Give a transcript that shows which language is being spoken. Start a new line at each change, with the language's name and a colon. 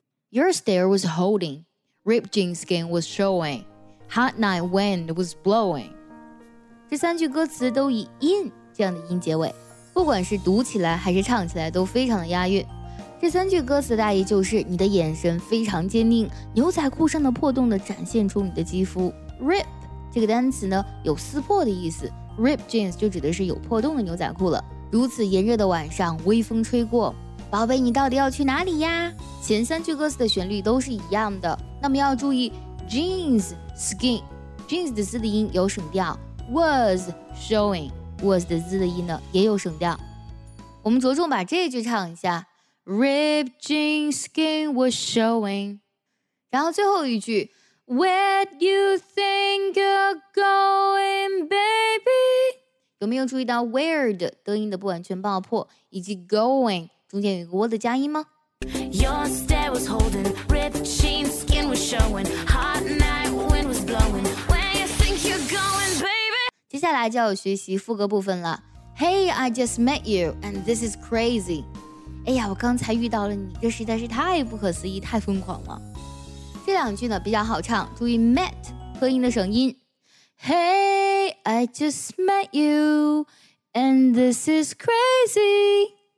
English: Your stare was holding, ripped jean skin was showing, hot night wind was blowing.
Chinese: 这三句歌词都以 in 这样的音结尾，不管是读起来还是唱起来都非常的押韵。这三句歌词的大意就是你的眼神非常坚定，牛仔裤上的破洞的展现出你的肌肤。 Rip 这个单词呢有撕破的意思 ，Rip jeans 就指的是有破洞的牛仔裤了。如此炎热的晚上，微风吹过。宝贝你到底要去哪里呀，前三句歌词的旋律都是一样的，那么要注意 jeans skin， jeans 的 z 的音有省调， was showing， was 的 z 的音呢也有省调。我们着重把这句唱一下，
English: rip jeans skin was showing，
Chinese: 然后最后一句
English: where do you think you're going baby，
Chinese: 有没有注意到 where 的得音的不完全爆破，以及 going中间有一个窝的加音吗？
English: Your stare was holding, ripped jeans, skin was showing, hot night wind was blowing. Where you think you're going, baby?
Chinese: 接下来就要学习副歌部分了。
English: Hey, I just met you, and this is crazy.
Chinese: 哎呀，我刚才遇到了你，这实在是太不可思议，太疯狂了。这两句呢比较好唱，注意 met 和音的省音。
English: Hey, I just met you, and this is crazy.